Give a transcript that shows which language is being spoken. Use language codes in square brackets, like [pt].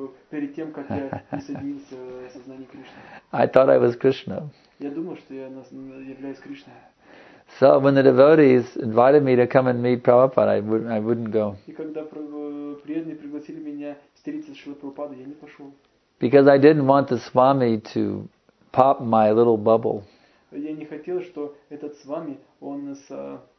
[ru] Перед тем, как я присоединился к сознанию Кришны. [en] I thought I was Krishna. [ru] Я думал, что я являюсь Кришной. [en] So when the devotees invited me to come and meet Prabhupada, I wouldn't go. [ru] И когда преданные пригласили меня встретиться с Шрилой Прабхупадой, я не пошел. [en] Because I didn't want the Swami to pop my little bubble. [ru] Я не хотел, что этот Свами, он с